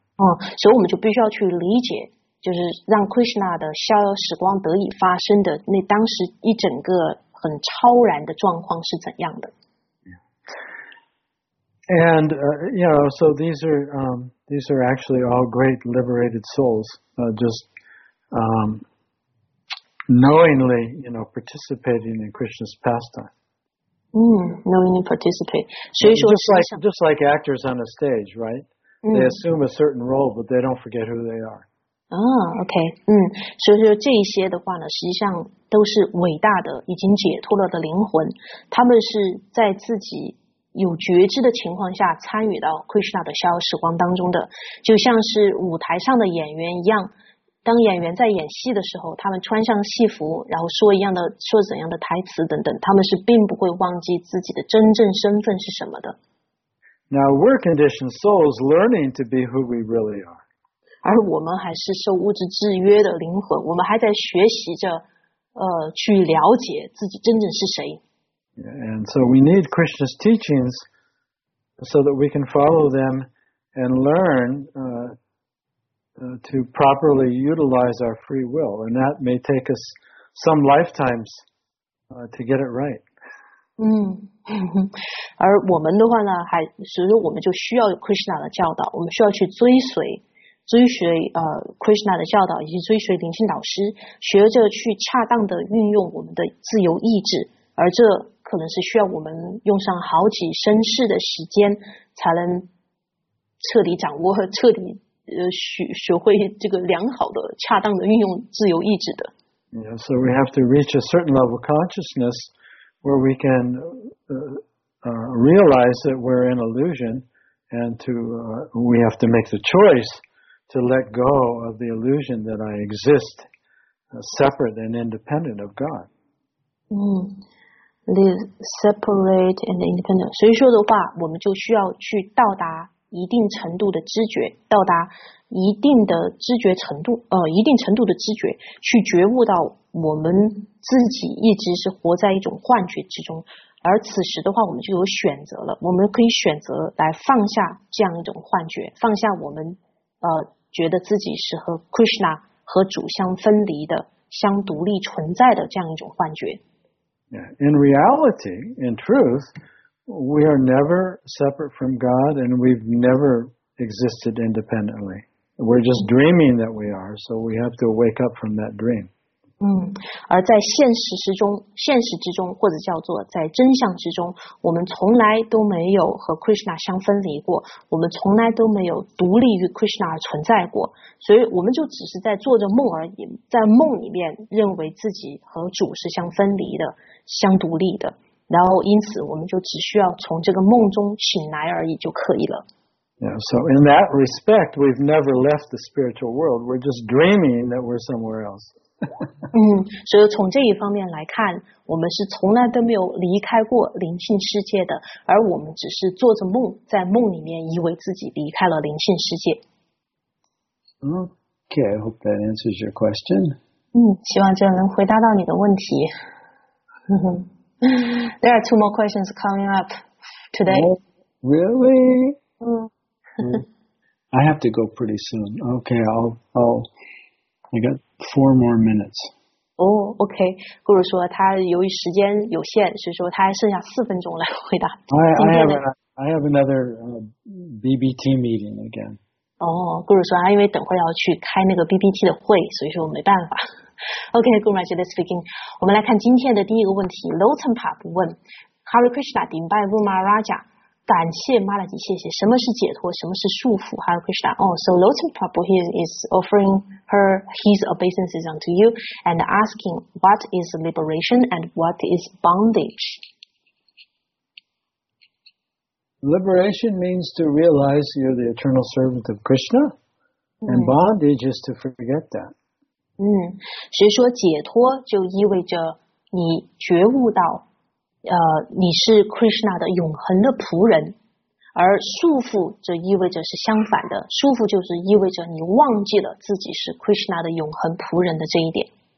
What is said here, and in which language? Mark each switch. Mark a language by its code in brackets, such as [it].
[zh] 所以我们就必须要去理解，就是让 Krishna 的逍遥时光得以发生的那当时一整个很超然的状况是怎样的。 [en] And, you know, so these are actually all great liberated souls, just knowingly, you know, participating in Krishna's pastime. Knowingly participate. So just like actors on a stage, right? They assume a certain role, but they don't forget who they are. Okay. [zh] 所以说这些的话呢，实际上都是伟大的，已经解脱了的灵魂，他们是在自己有觉知的情况下参与到 Krishna 的逍遥时光当中的，就像是舞台上的演员一样，当演员在演戏的时候，他们穿上戏服，然后说一样的说怎样的台词等等，他们是并不会忘记自己的真正身份是什么的。 [en] Now we're conditioned souls learning to be who we really are. [zh] 而我们还是受物质制约的灵魂，我们还在学习着，去了解自己真正是谁。 [en] And so we need Krishna's teachings so that we can follow them and learn to properly utilize our free will. And that may take us some lifetimes to get it right. [zh] 而我们的话呢，还所以说我们就需要 Krishna 的教导，我们需要去追随Krishna 的教导，以及追随灵性导师，学着去恰当的运用我们的自由意志，而这可能是需要我们用上好几生世的时间才能彻底掌握和彻底学会这个良好的恰当的运用自由意志的。 [en] Yeah, so we have to reach a certain level of consciousness where we can realize that we're in illusion and to we have to make the choice to let go of the illusion that I exist separate and independent of God. Live separate and independent. [zh] 所以说的话，我们就需要去到达一定程度的知觉，到达一定的知觉程度，一定程度的知觉，去觉悟到我们自己一直是活在一种幻觉之中。而此时的话，我们就有选择了，我们可以选择来放下这样一种幻觉，放下我们觉得自己是和 Krishna 和主相分离的、相独立存在的这样一种幻觉。 [en] In reality, in truth, we are never separate from God and we've never existed independently. We're just dreaming that we are, so we have to wake up from that dream. [zh] 而在现实之中或者叫做在真相之中，我们从来都没有和 Krishna 相分离过，我们从来都没有独立于 Krishna 而存在过，所以我们就只是在做着梦而已，在梦里面认为自己和主是相分离的、相独立的，然后因此我们就只需要从这个梦中醒来而已就可以了。 [en] Yeah, so in that respect, we've never left the spiritual world. We're just dreaming that we're somewhere else. [zh] 所以从这一方面来看，我们是从来都没有离开过灵性世界的，而我们只是做着梦，在梦里面以为自己离开了灵性世界。 [en] Okay, I hope that answers your question. [zh] 希望这能回答到你的问题。 [en] There are two more questions coming up today. Oh, really? Mm. I have to go pretty soon. Okay, I got four more minutes. Oh, okay. [zh] Guru 说他由于时间有限，所以说他还剩下四分钟来回答。 [en] I have another BBT meeting again. [zh] 哦，顾主说啊，因为等会要去开那个 BBT 的会，所以说没办法。 OK， [en] Guru Maharaj speaking。 [zh] 我们来看今天的第一个问题，Lotan Pap 问：Hare Krishna Dinbai Vumaraja，感谢 Maharaj，谢谢。什么是解脱？什么是束缚？Hare Krishna。 [en] 哦，So Lotan Pap is offering his obeisances unto you and asking what is liberation and what is bondage。 Liberation means to realize you're the eternal servant of Krishna, and bondage is to forget that. [zh] 所以说解脱就意味着你觉悟到，你是 Krishna 的永恒的仆人，而束缚则意味着是相反的。束缚就是意味着你忘记了自己是 Krishna 的永恒仆人的这一点。